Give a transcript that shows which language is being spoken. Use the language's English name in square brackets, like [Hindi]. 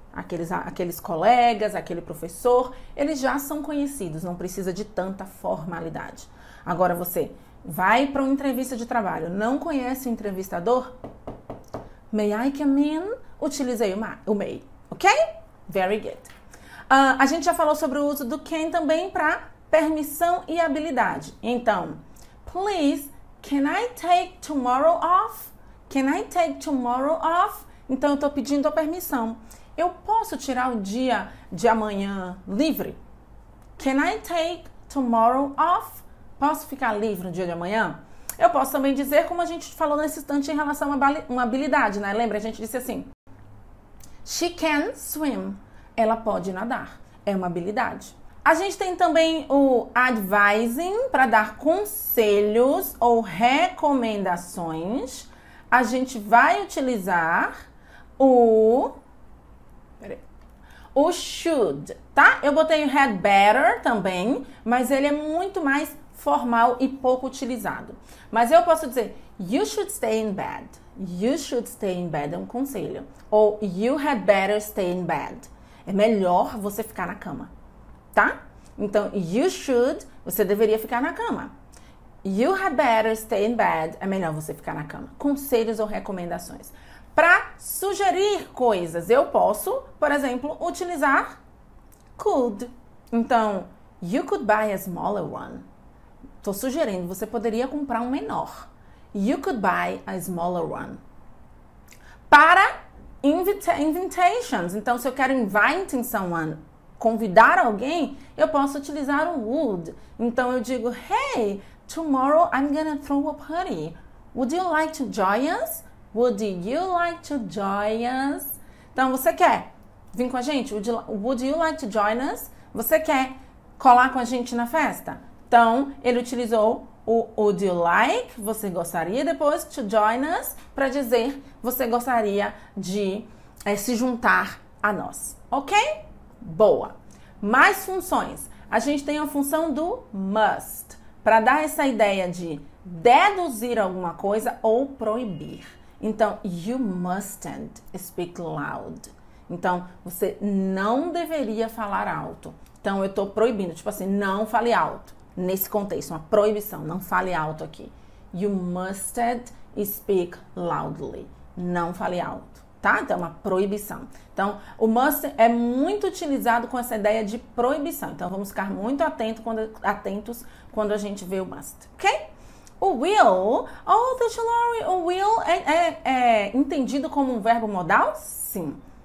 [Portuguese] Aqueles colegas, aquele professor, eles já são conhecidos, não precisa de tanta formalidade. Agora você vai para uma entrevista de trabalho, não conhece o entrevistador? [English] May I come in? [Portuguese] Utilizei o may, ok? [English] Very good. [Portuguese] A gente já falou sobre o uso do can também para permissão e habilidade. Então, [English] please, can I take tomorrow off? Can I take tomorrow off? [Portuguese] Então, eu estou pedindo a permissão. Eu posso tirar o dia de amanhã livre? [English] Can I take tomorrow off? [Portuguese] Posso ficar livre no dia de amanhã? Eu posso também dizer, como a gente falou nesse instante, em relação a uma habilidade, né? Lembra? A gente disse assim: [English] She can swim. [Portuguese] Ela pode nadar. É uma habilidade. A gente tem também o advising para dar conselhos ou recomendações. A gente vai utilizar o should, tá? Eu botei o had better também, mas ele é muito mais formal e pouco utilizado. Mas eu posso dizer: [English] You should stay in bed. You should stay in bed [Portuguese] é um conselho. [English] Ou you had better stay in bed. [Portuguese] É melhor você ficar na cama, tá? Então, [English] you should, [Portuguese] você deveria ficar na cama. [English] You had better stay in bed. [Portuguese] É melhor você ficar na cama. Conselhos ou recomendações. Para sugerir coisas, eu posso, por exemplo, utilizar could. [English] Então, you could buy a smaller one. [Portuguese] Estou sugerindo, você poderia comprar um menor. [English] You could buy a smaller one. [Portuguese] Para invitations, então, se eu quero [English] inviting someone, [Portuguese] convidar alguém, eu posso utilizar o would. Então, eu digo: [English] Hey, tomorrow I'm gonna throw a party. Would you like to join us? Would you like to join us? [Portuguese] Então, você quer vir com a gente? [English] Would you like to join us? [Portuguese] Você quer colar com a gente na festa? Então, ele utilizou o [English] would you like, [Portuguese] você gostaria, depois [English] to join us, [Portuguese] para dizer você gostaria de se juntar a nós. Ok? Boa. Mais funções. A gente tem a função do must, para dar essa ideia de deduzir alguma coisa ou proibir. [English] Então, you mustn't speak loud. [Portuguese] Então, você não deveria falar alto. Então, eu estou proibindo, tipo assim, não fale alto. Nesse contexto, uma proibição, não fale alto aqui. [English] You mustn't speak loudly. [Portuguese] Não fale alto, tá? Então, é uma proibição. Então, o must é muito utilizado com essa ideia de proibição. Então, vamos ficar muito atentos quando a gente vê o must, ok? O will, [English] oh, the salary, [Portuguese] o will é entendido como um verbo modal? Sim.